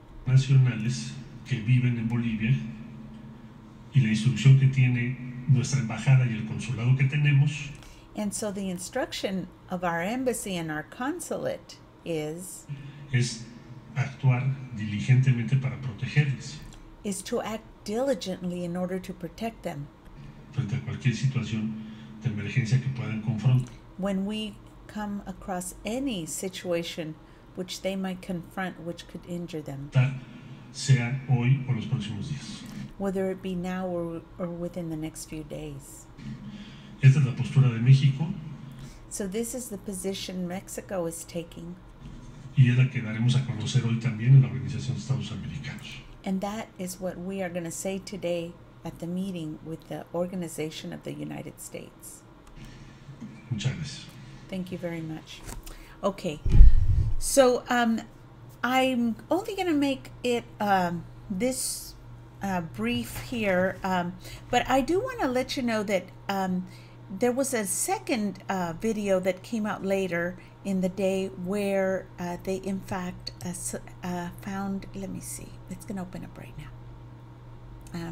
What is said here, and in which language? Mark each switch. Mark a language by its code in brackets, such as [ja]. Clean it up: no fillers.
[es] Nacionales que viven en Bolivia y la instrucción que tiene nuestra embajada y el consulado que tenemos. [en] And so the instruction of our embassy and our consulate is [es] actuar diligentemente para protegerles. [en] Is to act diligently in order to protect them. [es] Frente a cualquier situación de emergencia que puedan confrontar. [en] When we come across any situation which they might confront, which could injure them. [es] Sea hoy o los próximos días. [en] Whether it be now or within the next few days. [es] Esta es la postura de México. [en] So this is the position Mexico is taking. [es] Y es la que daremos a conocer hoy también en la Organización de Estados Americanos. [en] And that is what we are going to say today at the meeting with the Organization of the United States. [es] Muchas gracias. [en] Thank you very much. Okay. So I'm only going to make it this brief here, but I do want to let you know that there was a second video that came out later in the day where they in fact found, let me see, it's going to open up right now.